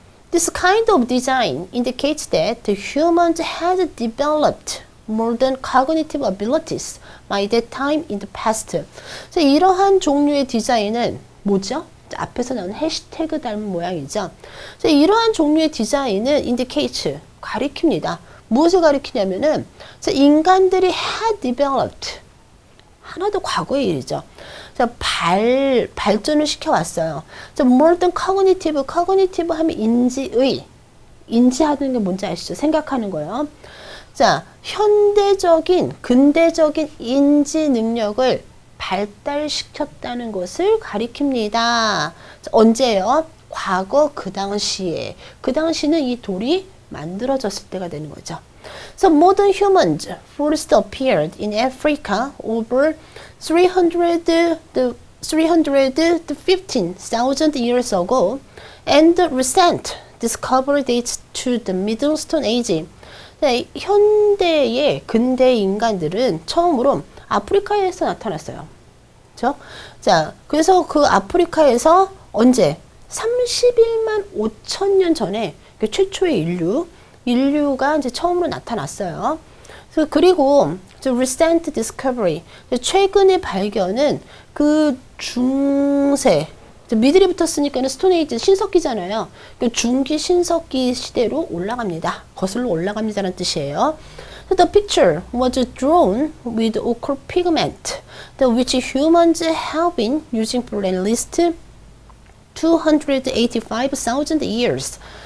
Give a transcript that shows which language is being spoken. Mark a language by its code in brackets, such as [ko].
[en] This kind of design indicates that the humans had developed modern cognitive abilities by that time in the past. [ko] 자, 이러한 종류의 디자인은 뭐죠? 자, 앞에서 나온 해시태그 닮은 모양이죠. 자, 이러한 종류의 디자인은 indicates, 가리킵니다. 무엇을 가리키냐면은 자, 인간들이 had developed 하나도 과거의 일이죠. 자, 발전을 시켜왔어요. 자, modern cognitive 하면 인지의 인지하는 게 뭔지 아시죠? 생각하는 거예요. 자, 현대적인, 근대적인 인지 능력을 발달시켰다는 것을 가리킵니다. 언제예요? 과거 그 당시에. 그 당시는 이 돌이 만들어졌을 때가 되는 거죠. [en] So modern humans first appeared in Africa over 315,000 years ago, and the recent discovery dates to the Middle Stone Age. [ko] 네, 현대의 근대 인간들은 처음으로 아프리카에서 나타났어요. 그렇죠? 자, 그래서 그 아프리카에서 언제? 31만 5천 년 전에 그 최초의 인류가 이제 처음으로 나타났어요. 그리고 the recent discovery, 최근의 발견은 그 중세, 미들이 붙었으니까는 스톤 에이지 신석기잖아요. 그 중기 신석기 시대로 올라갑니다. 거슬러 올라갑니다라는 뜻이에요. [en] So the picture was drawn with ochre pigment, which humans have been using for at least 285,000 years.